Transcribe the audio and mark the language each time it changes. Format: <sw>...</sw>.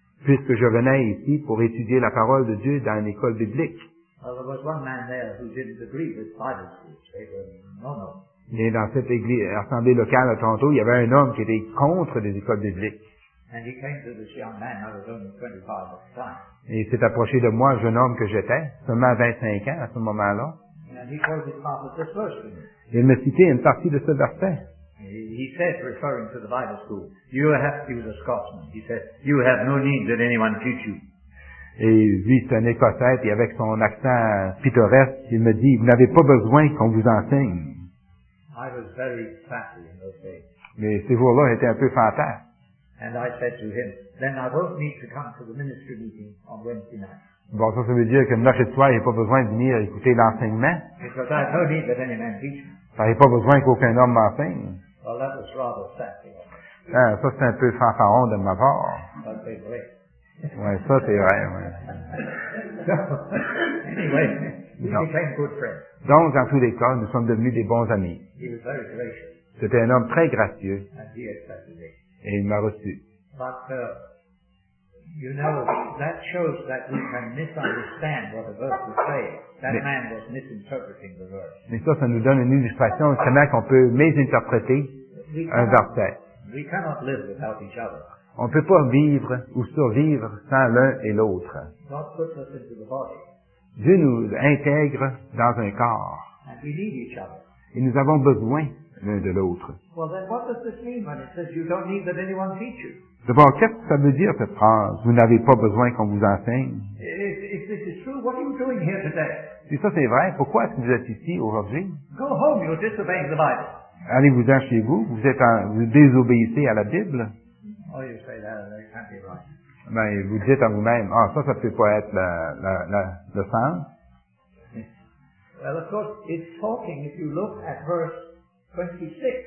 <fr>Puisque je venais ici pour étudier la parole de Dieu dans une école biblique.</fr> <en>Well, there was one man there who didn't agree with Bible school. They were no.</en> <fr>Et dans cette église, assemblée locale à Toronto, il y avait un homme qui était contre les écoles bibliques.</fr> <en>And he came to this young man, I was only 25 at the time.</en> <fr>Et il s'est approché de moi, jeune homme que j'étais, seulement 25 ans à ce moment-là.</fr> <en>And he quoted part of this verse to me.</en> <fr>Il me citait une partie de ce verset.</fr> <en>He said, referring to the Bible school, you have, he was a Scotsman, he said, you have no need that anyone teach you.</en> <fr>Et lui, c'est un Écossais, puis avec son accent pittoresque, il me dit, vous n'avez pas besoin qu'on vous enseigne.</fr> <en>I was very fatty in those days.</en> <fr>Mais ces jours-là étaient un peu fantasques.</fr> <en>And I said to him, then I won't need to come to the ministry meeting on Wednesday night.</en> <fr>Bon, ça veut dire que le mercredi soir, il n'y a pas besoin de venir écouter l'enseignement.</fr> <en>Because I have no need that any man teach me.</en> <fr>Ça, il n'y a pas besoin qu'aucun homme m'enseigne.</fr> <en>Well, that was rather sassy.</en> <fr>Ah, ça, c'est un peu fanfaron de ma part. But c'est vrai. Oui, ça, c'est vrai, oui.</fr> <en>Anyway, he became good friends.</en> <fr>Donc, en tous les cas, nous sommes devenus des bons amis.</fr> <en>He was very gracious.</en> <fr>C'était un homme très gracieux.</fr> <en>And he accepted it.</en> <fr>Et il m'a reçu.</fr> <en>But, you know, that shows that we can misunderstand what a verse is saying. Man was misinterpreting the verse.</en> <fr>Mais ça nous donne une illustration de comment qu'on peut mésinterpréter un verset.</fr> <en>We cannot live without each other.</en> <fr>On ne peut pas vivre ou survivre sans l'un et l'autre.</fr> <en>God puts us into the body.</en> <fr>Dieu nous intègre dans un corps.</fr> <en>And we need each other.</en> <fr>Et nous avons besoin l'un de l'autre.</fr> <en>Well, then what does this mean when it says you don't need that anyone teach you?</en> <fr>D'abord, qu'est-ce que ça veut dire, cette phrase? Vous n'avez pas besoin qu'on vous enseigne.</fr> <en>If this is true, what are you doing here today?</en> <fr>Si ça c'est vrai, pourquoi est-ce que vous êtes ici aujourd'hui?</fr> <en>Go home, you're disobeying the Bible.</en> <fr>Allez-vous-en chez vous, vous désobéissez à la Bible.</fr> <en>Oh, you say that, that can't be right.</en> <fr>Ben, vous dites à vous-même, ah, ça peut pas être le sens.</fr> <en>Well, of course, it's talking, if you look at verse 26.</en>